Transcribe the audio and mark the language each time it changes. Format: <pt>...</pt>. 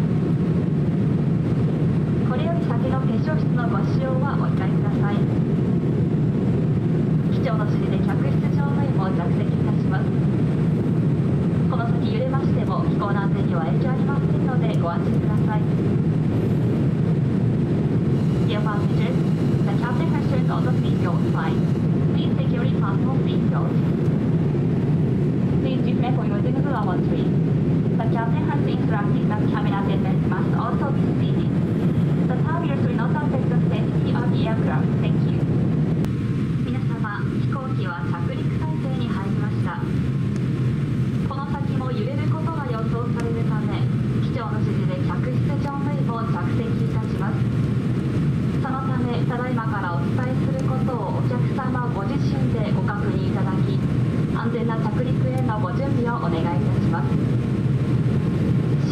<ja>これより先の化粧室のご使用はお控えください。機長の指示で客室乗務員も着席いたします。この先揺れましても飛行の安全には影響ありませんのでご安心ください。</ja> <en>Dear passengers, the captain has turned on the seatbelt sign. Please securely fasten your seatbelt. Please refrain from using the lavatory. The captain has instructed that cabin attendants must also be seated. The towels will not affect the safety of the aircraft. Thank you.</en> <ja>皆様、飛行機は着陸態勢に入りました。この先も揺れることが予想されるため、機長の指示で客室乗務員を着席いたします。そのため、ただいまからお伝えすることをお客様ご自身でご確認いただき、安全な着陸へのご準備をお願いいたします。</ja>